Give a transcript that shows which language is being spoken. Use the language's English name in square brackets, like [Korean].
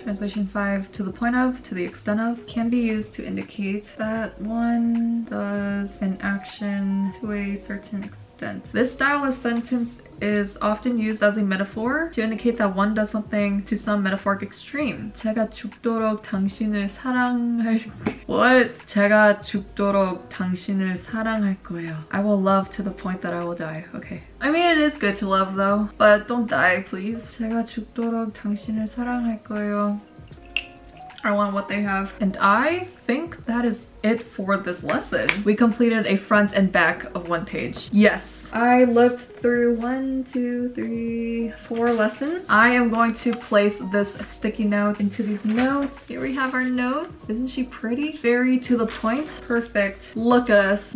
[English] Translation 5, to the point of, to the extent of, can be used to indicate that one does an action to a certain extent. This style of sentence is often used as a metaphor to indicate that one does something to some metaphoric extreme. [Korean] 제가 죽도록 당신을 사랑할... [English] What? [Korean] 제가 죽도록 당신을 사랑할 거예요. [English] I will love to the point that I will die. Okay. I mean, it is good to love though, but don't die, please. [Korean] 제가 죽도록 당신을 사랑할 거예요. [English] I want what they have. And I think that is it for this lesson. We completed a front and back of one page. Yes. I looked through 1, 2, 3, 4 lessons. I am going to place this sticky note into these notes. Here we have our notes. Isn't she pretty? Very to the point. Perfect. Look at us.